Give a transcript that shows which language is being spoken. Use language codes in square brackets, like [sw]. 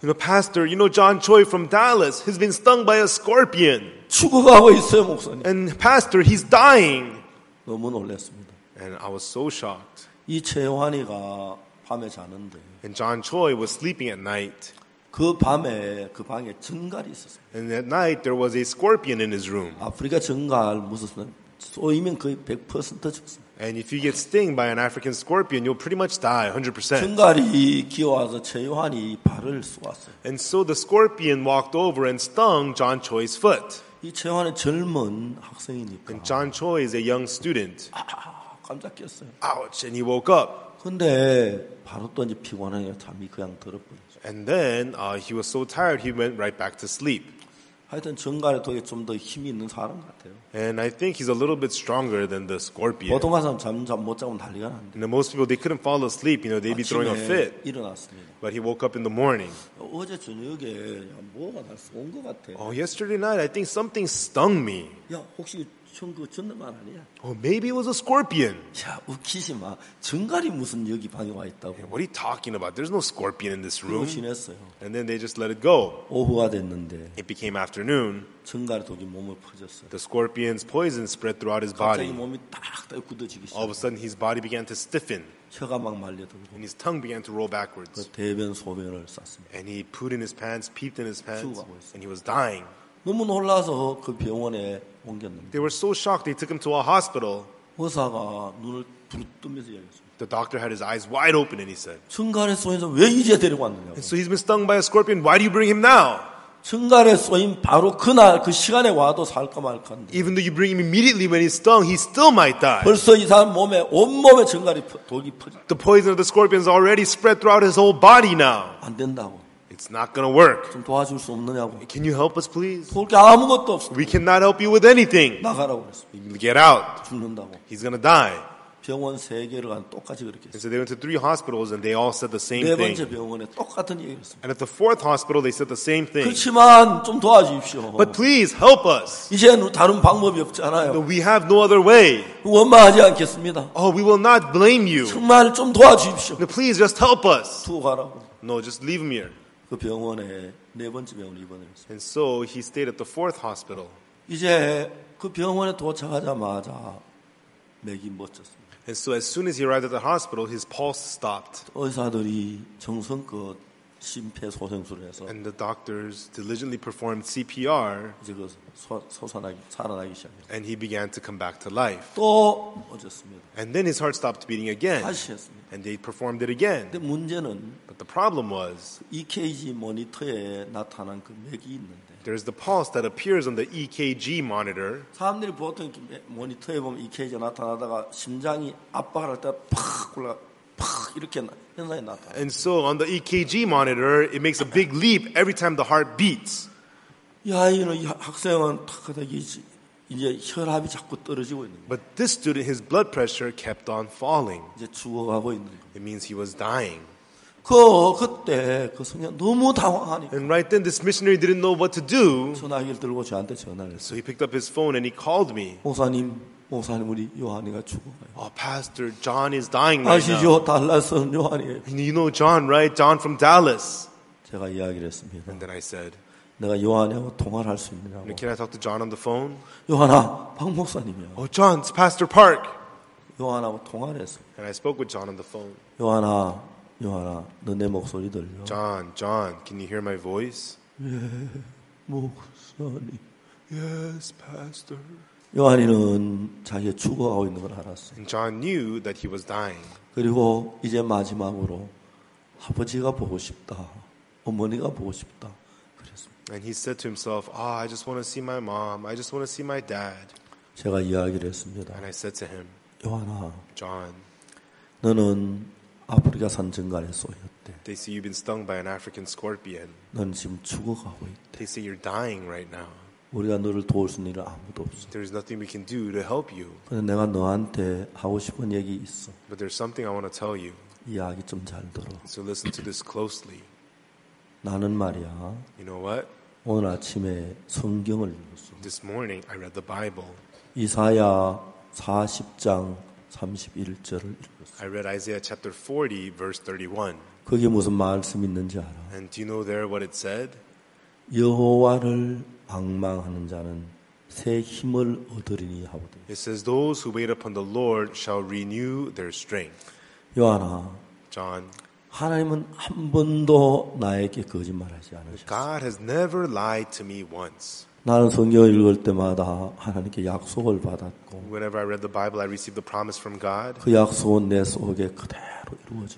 [en] You know, pastor, you know John Choi from Dallas. He's been stung by a scorpion. [ko] 죽어가고 있어요, 목사님. [en] And pastor, he's dying. [ko] 너무 놀랐습니다. [en] And I was so shocked. [ko] 이 최요한이가 밤에 자는데. [en] And John Choi was sleeping at night. [ko] 그 밤에 그 방에 전갈이 있었어요. [en] And at night there was a scorpion in his room. [ko] 아프리카 전갈 무서우면 쏘이면 거의 100% 죽습니다. [en] And if you get stung by an African scorpion, you'll pretty much die 100%. [ko] 전갈이 기어와서 최요한이 발을 쏘았어요. [en] And so the scorpion walked over and stung John Choi's foot. [ko] 이 최요한은 젊은 학생이니까. [en] And John Choi is a young student. [ko] 아, 깜짝 깼어요. [en] Ouch! And he woke up. [ko] 근데 바로 또 이제 피곤하게 잠이 그냥 들었군요. [en] And then he was so tired, he went right back to sleep. [ko] 하여튼 전갈에 더 좀 더 힘이 있는 사람 같아요. [en] And I think he's a little bit stronger than the scorpion. [ko] 보통 사람 잠 못 자고 난리가 난대. [en] And most people, they couldn't fall asleep. You know, they'd be throwing a fit. [ko] 일어났습니다. [en] But he woke up in the morning. [ko] 어제 저녁에 뭐가 날 쏜 것 같아. [en] Oh, yesterday night, I think something stung me. [ko] 야, 혹시 전그 전날만 아니야? [en] Oh, maybe it was a scorpion. [ko] 야, 웃기지 마. 전갈이 무슨 여기 방에 와 있다고? [en] Yeah, what are you talking about? There's no scorpion in this room. [ko] 신했어요. [en] And then they just let it go. [ko] 오후가 됐는데. [en] It became afternoon. [ko] 전갈이 독이 몸을 퍼졌어. [en] The scorpion's poison spread throughout his body. [ko] 갑자기 몸이 딱딱 굳어지기 시작. [en] All of a sudden, his body began to stiffen. [ko] 혀가 막 말려들고. [en] And his tongue began to roll backwards. [ko] 그 대변 소변을 쌌습니다. [en] And he pooed in his pants, peed in his pants. [ko] 죽어가고 있어. [en] And he was dying. [ko] 너무 놀라서 그 병원에 옮겼는데. [en] They were so shocked they took him to a hospital. [ko] 의사가 눈을 부릅뜨면서 얘기했어요. [en] The doctor had his eyes wide open and he said, [ko] 전갈에 쏘여서 왜 이제 데리고 왔느냐고. [en] And so he's been stung by a scorpion. Why do you bring him now? [ko] 전갈에 쏘인 바로 그날 그 시간에 와도 살까 말까인데. [en] Even though you bring him immediately when he's stung, he still might die. [ko] 벌써 이 사람 몸에 온몸에 전갈이 독이 퍼져. [en] The poison of the scorpion is already spread throughout his whole body now. [ko] 안 된다고. [en] It's not going to work. [ko] 좀 도와줄 수 없느냐고. [en] Can you help us, please? [ko] 도울 게 아무것도 없어. [en] We cannot help you with anything. [ko] 나가라고 그랬어. [en] Get out. [ko] 죽는다고. [en] He's going to die. [ko] 병원 세 개를 간 똑같이 그렇게 했어. [en] And so they went to three hospitals and they all said the same thing. [ko] 네 번째 병원에 똑같은 얘기를 했어. [en] And at the fourth hospital, they said the same thing. [ko] 그렇지만 좀 도와주십시오. [en] But please, help us. [ko] 이제는 다른 방법이 없잖아요. [en] No, we have no other way. [ko] 원망하지 않겠습니다. [en] Oh, we will not blame you. [ko] 정말 좀 도와주십시오. [en] No, please, just help us. [ko] 두고 가라고. [en] No, just leave him here. [ko] 그 병원에 네 번째 병원에 입원했어. [en] And so he stayed at the fourth hospital. [ko] 이제 그 병원에 도착하자마자 맥이 멎었습니다. [en] And so as soon as he arrived at the hospital, his pulse stopped. [ko] 의사들이 정성껏 심폐소생술을 해서 [en] And the doctors diligently performed CPR. [ko] 소산하기 살아나기 시작해요. [en] And he began to come back to life. [ko] 또 어졌습니다. [en] And then his heart stopped beating again. [ko] 다시 했습니다. [en] And they performed it again. [ko] 근데 문제는 [en] But the problem was [ko] EKG 모니터에 나타난 그 맥이 있는데 [en] There's the pulse that appears on the EKG monitor. [ko] 사람들이 보통 모니터에 보면 EKG 나타나다가 심장이 압박할 때 팍 올라 팍 이렇게 현상이 나타나. [en] And so on the EKG monitor, it makes a big leap every time the heart beats. [ko] 야, 이놈 학생은 탁 하다가 이제 혈압이 자꾸 떨어지고 있는. [en] But this student, his blood pressure kept on falling. [ko] 이제 죽어가고 있는. [en] It means he was dying. [ko] 그때 그 성년 너무 당황하니까. [en] And right then, this missionary didn't know what to do. [ko] 전화기를 들고 저한테 전화를. [en] So he picked up his phone and he called me. [ko] 목사님, 목사님 우리 요한이가 죽어요. [en] Oh, Pastor John is dying [ko] 아시죠? [en] right now. [ko] 아시죠, 달라스 요한이. [en] You know John, right? John from Dallas. [ko] 제가 이야기를 했습니다. [en] And then I said, [ko] 내가 요한이하고 통화를 할 수 있느냐고. [en] Can I talk to John on the phone? [ko] 요한아, 박 목사님이야. [en] Oh, John, it's Pastor Park. [ko] 요한하고 통화를 했어. [en] And I spoke with John on the phone. [ko] 요한아. 요한아, 너 내 목소리 들려? [en] John, John, can you hear my voice? [ko] 예, 목사님. [en] Yes, Pastor. [ko] 요한이는 자기가 죽어가고 있는 걸 알았어. [en] And John knew that he was dying. [ko] 그리고 이제 마지막으로 아버지가 보고 싶다, 어머니가 보고 싶다, 그랬습니다. [en] And he said to himself, "Ah, I just want to see my mom. I just want to see my dad." [ko] 제가 이야기를 했습니다. [en] And I said to him, [ko] 요한아, [en] John, [ko] 너는 아프리카 산 전갈에 쏘였대. [en] They say you've been stung by an African scorpion. [ko] 넌 지금 죽어가고 있대. [en] They say you're dying right now. [ko] 우리가 너를 도울 수 있는 일은 아무도 없어. [en] There is nothing we can do to help you. [ko] 근데 내가 너한테 하고 싶은 얘기 있어. [en] But there's something I want to tell you. [ko] 이야기 좀 잘 들어. [en] So listen to this closely. [ko] 나는 말이야. [en] You know what? [ko] 오늘 아침에 성경을 읽었어. [en] This morning I read the Bible. [ko] 이사야 40장 31절을 읽었어. [en] I read Isaiah chapter 40 verse 31. [ko] 거기 무슨 말씀 있는지 알아? [en] And do you know there what it said? [ko] 여호와를 앙망하는 자는 새 힘을 얻으리니 하거든. [en] It says those who wait upon the Lord shall renew their strength. [ko] 요한아. [en] John. [ko] 하나님은 한 번도 나에게 거짓말하지 않으셨어. [en] God has never lied to me once. [ko] 나는 성경을 읽을 때마다 하나님께 약속을 받았고 [en] Whenever I read the Bible, I received the promise from God. [ko] 그 약속은 내 속에 그대로 이루어졌어.